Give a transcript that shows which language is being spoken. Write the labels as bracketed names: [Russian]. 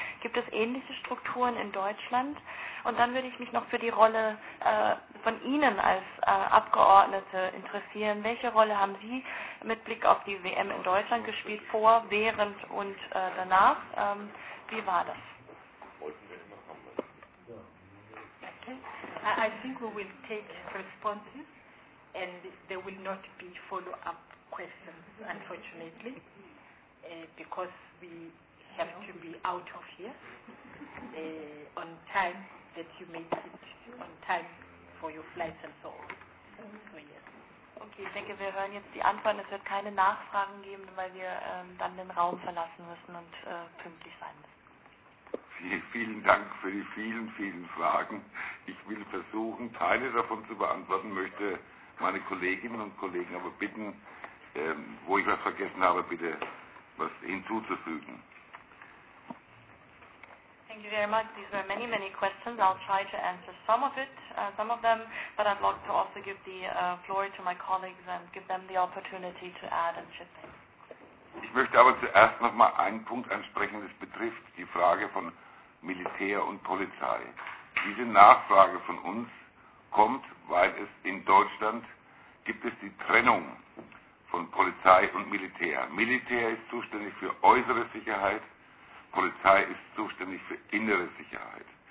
[German] Gibt es ähnliche Strukturen in Deutschland? Und dann würde ich mich noch für die Rolle von Ihnen als Abgeordnete interessieren. Welche Rolle haben Sie mit Blick auf die WM in Deutschland gespielt, vor, während und danach? Wie war das? [English] Okay. I think we will take responses and there will not be follow-up questions, unfortunately, because we have to be out of here on time. That you make it on time for your flights and so on. So, yes. [German] Okay, ich denke, wir hören jetzt die Antworten. Es wird keine Nachfragen geben, weil wir dann den Raum verlassen müssen und pünktlich sein müssen. Vielen Dank für die vielen, vielen Fragen. Ich will versuchen, Teile davon zu beantworten, möchte meine Kolleginnen und Kollegen aber bitten, wo ich was vergessen habe, bitte was hinzuzufügen. [English] Thank you very much. These were many, many questions. I'll try to answer some of it, some of them, but I'd like to also give the floor to my colleagues and give them the opportunity to add and chip in. [German] Ich möchte aber zuerst noch mal einen Punkt ansprechen. Das betrifft die Frage von Militär und Polizei. Diese Nachfrage von uns kommt, weil es in Deutschland gibt es die Trennung von Polizei und Militär. Militär ist zuständig für äußere Sicherheit. Polizei ist zuständig für innere Sicherheit.